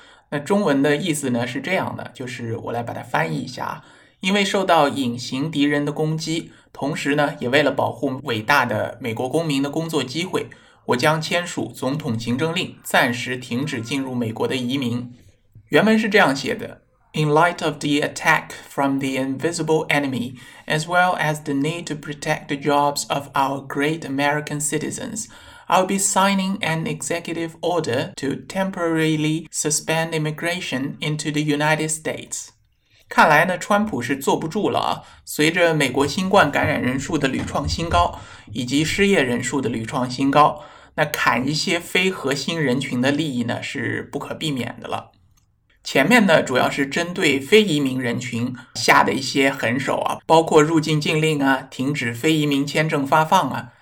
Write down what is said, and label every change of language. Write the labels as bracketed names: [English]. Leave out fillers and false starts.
[Chinese] 那中文的意思呢是这样的，就是我来把它翻译一下啊。因为受到隐形敌人的攻击，同时呢，也为了保护伟大的美国公民的工作机会，我将签署总统行政令，暂时停止进入美国的移民。原文是这样写的。 [English] In light of the attack from the invisible enemy, as well as the need to protect the jobs of our great American citizens, I'll be signing an executive order to temporarily suspend immigration into the United States. [Chinese] 看来呢，川普是坐不住了啊！随着美国新冠感染人数的屡创新高，以及失业人数的屡创新高，那砍一些非核心人群的利益呢，是不可避免的了。前面呢，主要是针对非移民人群下的一些狠手啊，包括入境禁令啊，停止非移民签证发放啊。